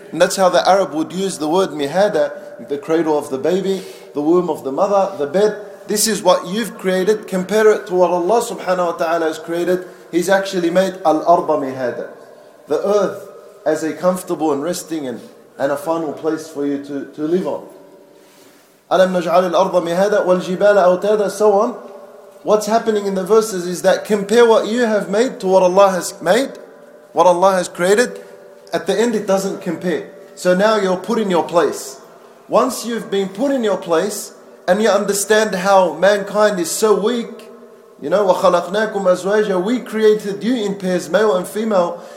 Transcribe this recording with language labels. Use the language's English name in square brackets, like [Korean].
[English] And that's how the Arab would use the word mihada, the cradle of the baby, the womb of the mother, the bed. This is what you've created. Compare it to what Allah subhanahu wa ta'ala has created. He's actually made [Arabic] الْأَرْضَ مِهَادًا, [English] the earth, as a comfortable and resting and a final place for you to live on. [Arabic] أَلَمْ نَجْعَلِ الْأَرْضَ مِهَادًا وَالْجِبَالَ أَوْتَادًا, [English] so on. What's happening in the verses is that compare what you have made to what Allah has made, what Allah has created. At the end, it doesn't compare. So now you're put in your place. Once you've been put in your place and you understand how mankind is so weak, you know, [Arabic] وَخَلَقْنَاكُمْ أَزْوَاجًا, [English] we created you in pairs, male and female.